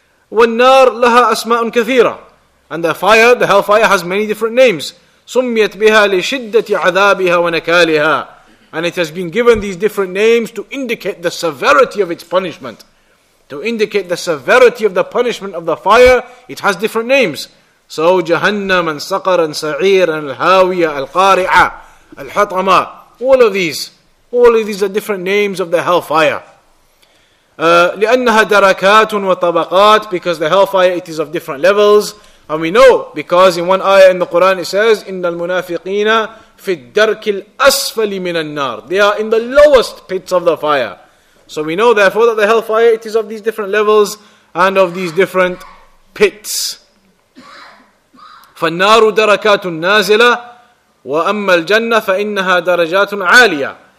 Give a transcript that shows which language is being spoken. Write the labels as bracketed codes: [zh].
[ar] والنار لها أسماء كثيرة, [en] and the fire, the hellfire, has many different names. [ar] سميت بها لشدة عذابها ونكالها, [en] and it has been given these different names to indicate the severity of its punishment, to indicate the severity of the punishment of the fire. It has different names. [ar] So جهنم and سقر and سعير and الهاوية القارعة الحطمة. [en] All of these are different names of the hellfire. [ar] لأنها دركات وطبقات, [en] because the hellfire, it is of different levels. And we know, because in one ayah in the Quran it says, [ar] إن المنافقين في الدرك الأسفل من النار. [en] They are in the lowest pits of the fire. So we know therefore that the hellfire, it is of these different levels and of these different pits. [ar] فالنار دركات نازلة وَأَمَّا الْجَنَّةَ فَإِنَّهَا دَرَجَاتٌ عَالِيَةٌ.